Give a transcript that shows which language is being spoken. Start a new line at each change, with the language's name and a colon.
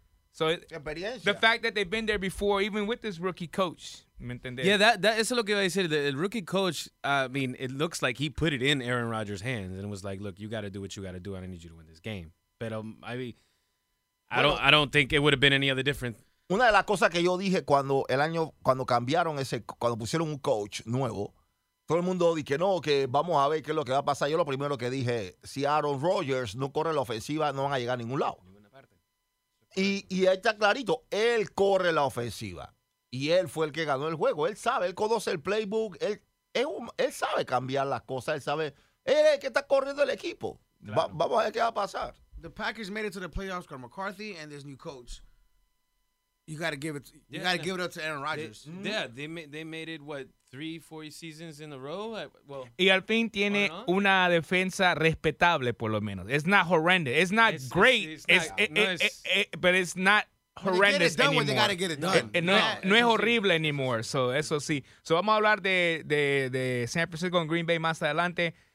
English: So the fact that they've been there before, even with this rookie coach.
Spanish: ¿Me entendés?
English: Yeah, that is
Spanish: lo que
English: I said. The rookie coach, I mean, it looks like he put it in Aaron Rodgers' hands and was like, look, you got to do what you got to do. I need you to win this game. But I don't think it would have been any other different.
Spanish: Una de las cosas que yo dije cuando pusieron un coach nuevo, todo el mundo dije, no, que vamos a ver qué es lo que va a pasar. Yo lo primero que dije, si Aaron Rodgers no corre la ofensiva, no van a llegar a ningún lado. Y ahí está clarito, él corre la ofensiva. Y él fue el que ganó el juego. Él sabe, él conoce el playbook. Él sabe cambiar las cosas. Él sabe, él es el que está corriendo el equipo. Claro. Vamos a ver qué va a pasar.
English: The Packers made it to the playoffs con McCarthy and this new coach. You gotta give it. Give it up to Aaron Rodgers. They made it what 3-4 seasons in a row. Well,
Spanish: y al fin tiene una defensa respetable, por lo menos.
English: It's not horrendous. It's not great. But it's not horrendous anymore. They gotta get it done.
Spanish: No es horrible anymore. So eso sí. So vamos a hablar de San Francisco and Green Bay más adelante.